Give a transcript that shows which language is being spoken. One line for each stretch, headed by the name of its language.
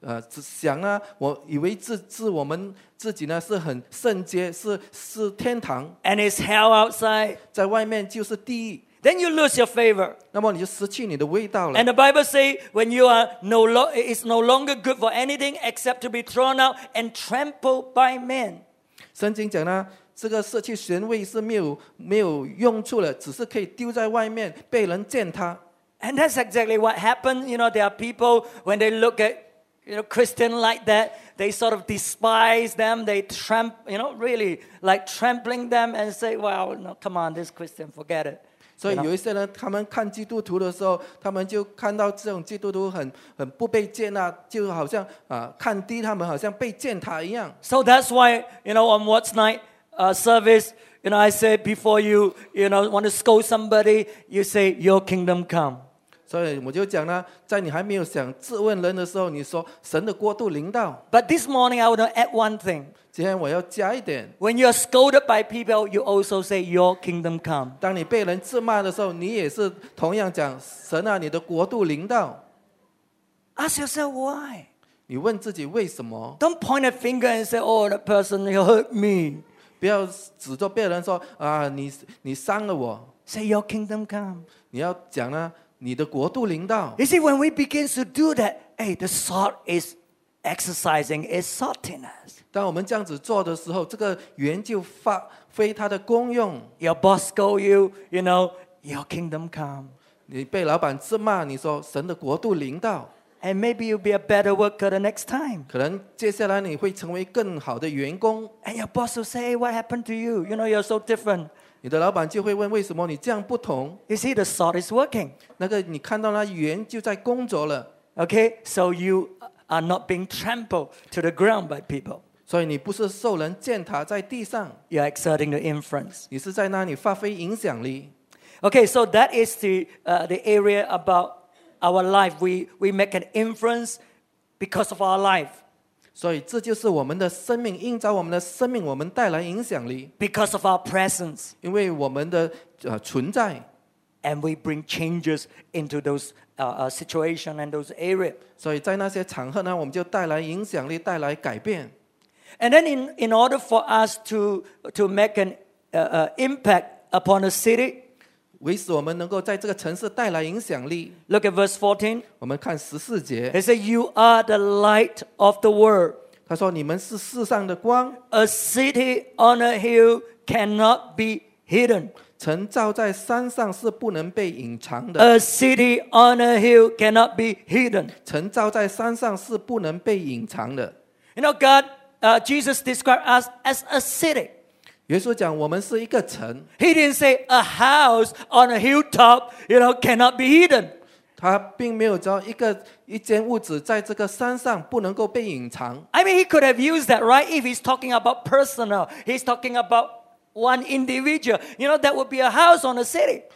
Chinese: 想啊，我以为自我们自己呢是很圣洁，是天堂。
English: And it's hell outside.
Chinese: 在外面就是地狱。
English: Then you lose your favor.
Chinese: 那么你就失去你的味道了。
English: And the Bible say, when you are it's no longer good for anything except to be thrown out and trampled by men.
Chinese: 圣经讲呢，这个失去咸味是没有用处了，只是可以丢在外面被人践踏。
English: And that's exactly what happened. You know, there are people when they look at, you know, Christian like that, they sort of despise them. They tramp, you know, really like trampling them and say, "Well, no, come on, this Christian, forget it."
Chinese: 所以有一些人，他们看基督徒的时候，他们就看到这种基督徒很不被接纳，就好像看低他们，好像被践踏一样。
English: So that's why, you know, on what night? Service, you know, I said before you, you know, want to scold somebody, you say, "Your kingdom come." So I just said that, in you
Chinese: 还没有想质问人的时候，你说神的国度临到。
English: But this morning, I want to add one thing.
Chinese: 今天我要加一点。
English: When you are scolded by people, you also say, "Your kingdom come."
Chinese: 当你被人质骂的时候，你也是同样讲神啊，你的国度临到。
English: Ask yourself why.
Chinese: 你问自己为什么
English: ？Don't point a finger and say, "Oh, that person hurt me."
Chinese: 不要指着别人说啊，你伤了我。
English: Say your kingdom come.
Chinese: 你要讲呢，你的国度临到。
English: You see, when we begin to do that, hey, the salt is exercising its saltiness.
Chinese: 当我们这样子做的时候，这个盐就发挥它的功用。
English: Your boss scold you, you know, your kingdom come.
Chinese: 你被老板质骂，你说神的国度临到。
English: And maybe you'll be a better worker the next time.
Chinese: 可能接下来你会成为更好的员工。
English: And your boss will say, "Hey, what happened to you? You know, you're so different."
Chinese: 你的老板就会问为什么你这样不同。
English: You see, the salt is working.
Chinese: 那个你看到那盐就在工作了。
English: Okay, so you are not being trampled to the ground by people.
Chinese: 所以你不是受人践踏在地上。
English: You're exerting the influence.
Chinese: 你是在那里发挥影响力。
English: Okay, so that is the area about our life, we make an influence because of our life.
Chinese: 所以这就是我们的生命，因着我们的生命，我们带来影响力。
English: Because of our presence.
Chinese: 因为我们的存在。
English: And we bring changes into those situations and those areas.
Chinese: 所以在那些场合呢，我们就带来影响力，带来改变。
English: And then in order for us to make an impact upon a city,
Chinese: 为使我们能够在这个城市带来影响力。
English: Look at verse 14.
Chinese: 我们看十四节。
English: He said, "You are the light of the world."
Chinese: 他说你们是世上的光。
English: A city on a hill cannot be hidden.
Chinese: 城造在山上是不能被隐藏的。
English: A city on a hill cannot be hidden.
Chinese: 城造在山上是不能被隐藏的。
English: You know, God, Jesus described us as a city.
Chinese: 耶稣讲我们是一个城。
English: He didn't say a house on a hilltop, you know, cannot be hidden.
Chinese: 他并没有说一间屋子在这个山上不能够被隐藏。
English: I mean, he could have used that, right? If he's talking about personal, he's talking about one individual. You know, that would be a house on a city.